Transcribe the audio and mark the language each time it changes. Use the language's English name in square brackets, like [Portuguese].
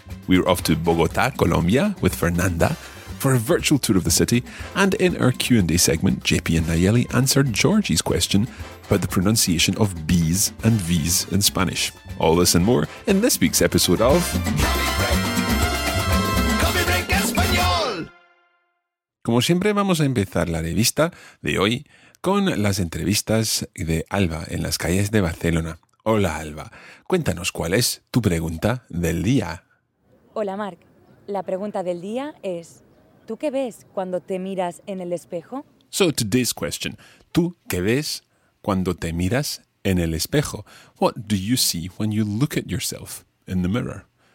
[English] We're off to Bogotá, Colombia, with Fernanda for a virtual tour of the city, and in our Q&A segment, JP and Nayeli answer Georgie's question about the pronunciation of B's and V's in Spanish. All this and more in this week's episode of Coffee Break Español. [Spanish] Como siempre, vamos a empezar la revista de hoy con las entrevistas de Alba en las calles de Barcelona. Hola, Alba. Cuéntanos cuál es tu pregunta del día. Hola, Marc. La pregunta del día es, ¿tú qué ves cuando te miras en el espejo? [English] So today's question, [Spanish] ¿tú qué ves cuando te miras en el espejo? [English] What do you see when you look at yourself in the mirror?